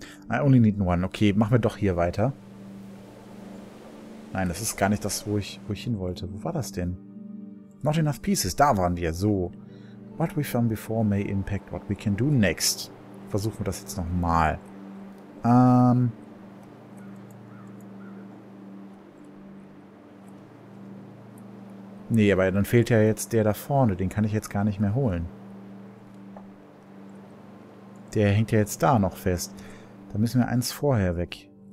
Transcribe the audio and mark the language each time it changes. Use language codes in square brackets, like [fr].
[en] I only need one. [de] Okay, machen wir doch hier weiter. Nein, das ist gar nicht das, wo ich hin wollte. Wo war das denn? [en] Not enough pieces. [de] Da waren wir. So. [en] What we found before may impact what we can do next. [de] Versuchen wir das jetzt nochmal. Nee, aber dann fehlt ja jetzt der da vorne. Den kann ich jetzt gar nicht mehr holen. Der hängt ja jetzt da noch fest. Da müssen wir eins vorher weg.